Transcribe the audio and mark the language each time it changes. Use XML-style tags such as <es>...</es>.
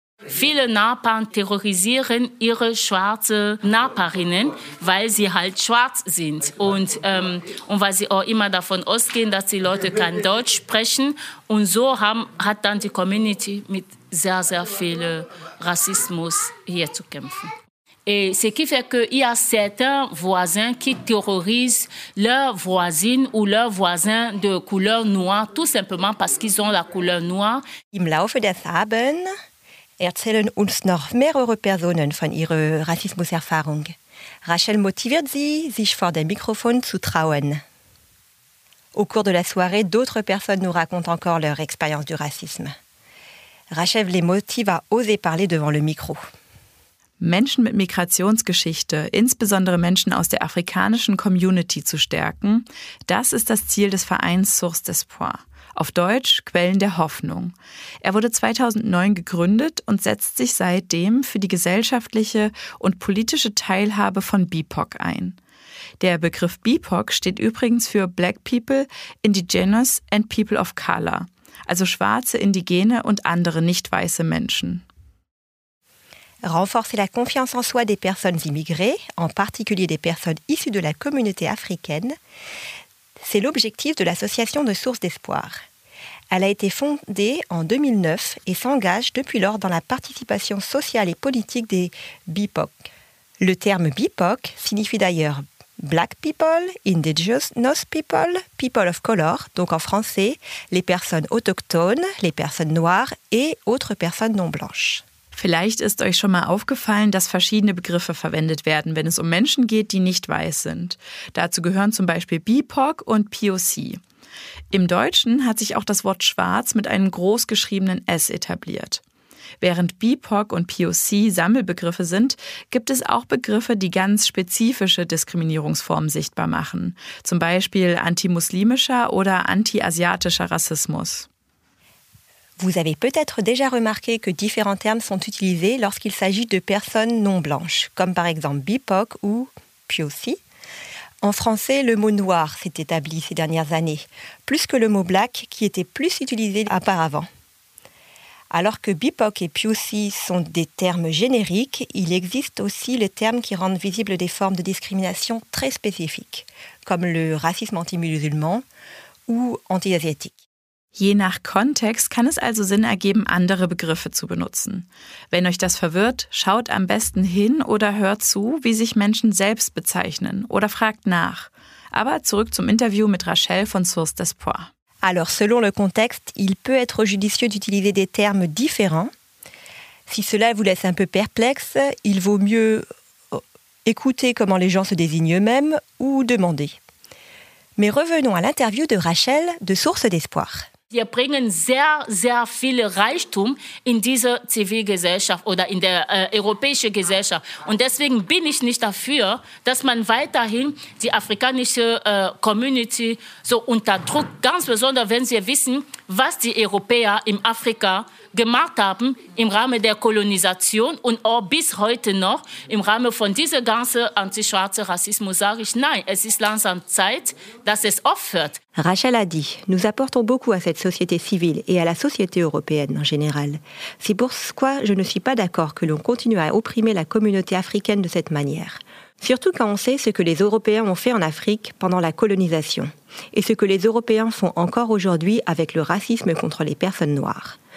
<de>Viele Nachbarn terrorisieren ihre schwarze Nachbarinnen, weil sie halt schwarz sind. Und weil sie auch immer davon ausgehen, dass die Leute kein Deutsch sprechen. Und so hat dann die Community mit sehr, sehr viel Rassismus hier zu kämpfen.</de> <fr>Et ce qui fait qu'il y a certains voisins qui terrorisent leurs voisines ou leurs voisins de couleur noire, tout simplement parce qu'ils ont la couleur noire.</fr> <de>Im Laufe des Abends erzählen uns noch mehrere Personen von ihrer Rassismuserfahrung. Rachel motiviert sie, sich vor dem Mikrofon zu trauen.</de> <fr>Au cours de la soirée, d'autres personnes nous racontent encore leur expérience du racisme. Rachel les motive à oser parler devant le micro.</fr> <de>Menschen mit Migrationsgeschichte, insbesondere Menschen aus der afrikanischen Community, zu stärken, das ist das Ziel des Vereins Source d'Espoir. Auf Deutsch Quellen der Hoffnung. Er wurde 2009 gegründet und setzt sich seitdem für die gesellschaftliche und politische Teilhabe von BIPOC ein. Der Begriff BIPOC steht übrigens für</de> <en>Black People, Indigenous and People of Color,</en> <de>also schwarze, indigene und andere nicht weiße Menschen.</de> <fr>Renforcer la confiance en soi des personnes immigrées, en particulier des personnes issues de la communauté africaine, c'est l'objectif de l'association de Source d'Espoir. Elle a été fondée en 2009 et s'engage depuis lors dans la participation sociale et politique des BIPOC. Le terme BIPOC signifie d'ailleurs</fr> <en>Black People, Indigenous People, People of Color,</en> <fr>donc en français, les personnes autochtones, les personnes noires et autres personnes non blanches.</fr> <de>Vielleicht ist euch schon mal aufgefallen, dass verschiedene Begriffe verwendet werden, wenn es um Menschen geht, die nicht weiß sind. Dazu gehören zum Beispiel BIPOC und POC. Im Deutschen hat sich auch das Wort schwarz mit einem großgeschriebenen S etabliert. Während BIPOC und POC Sammelbegriffe sind, gibt es auch Begriffe, die ganz spezifische Diskriminierungsformen sichtbar machen. Zum Beispiel antimuslimischer oder antiasiatischer Rassismus.</de> <fr>Vous avez peut-être déjà remarqué que différents termes sont utilisés lorsqu'il s'agit de personnes non blanches, comme par exemple BIPOC ou POC. En français, le mot noir s'est établi ces dernières années, plus que le mot black qui était plus utilisé auparavant. Alors que BIPOC et POC sont des termes génériques, il existe aussi les termes qui rendent visibles des formes de discrimination très spécifiques, comme le racisme anti-musulman ou anti-asiatique.</fr> <de>Je nach Kontext kann es also Sinn ergeben, andere Begriffe zu benutzen. Wenn euch das verwirrt, schaut am besten hin oder hört zu, wie sich Menschen selbst bezeichnen oder fragt nach. Aber zurück zum Interview mit Rachel von Source d'Espoir.</de> <fr>Alors, selon le contexte, il peut être judicieux d'utiliser des termes différents. Si cela vous laisse un peu perplexe, il vaut mieux écouter comment les gens se désignent eux-mêmes ou demander. Mais revenons à l'interview de Rachel de Source d'Espoir.</fr> <de>Wir bringen sehr, sehr viel Reichtum in diese Zivilgesellschaft oder in der europäische Gesellschaft. Und deswegen bin ich nicht dafür, dass man weiterhin die afrikanische Community so unter Druck, ganz besonders, wenn wir wissen, was die Europäer in Afrika gemacht haben im Rahmen der Kolonisation und auch bis heute noch im Rahmen von diesem ganzen antischwarzen Rassismus, sage ich nein, es ist langsam Zeit, dass es aufhört.</de> <fr>Rachel a dit, nous apportons beaucoup à cette société civile et à la société européenne en général. C'est pourquoi je ne suis pas d'accord que l'on continue à opprimer la communauté africaine de cette manière. Surtout quand on sait ce que les Européens ont fait en Afrique pendant la colonisation et ce que les Européens font encore aujourd'hui avec le racisme contre les personnes noires.</fr>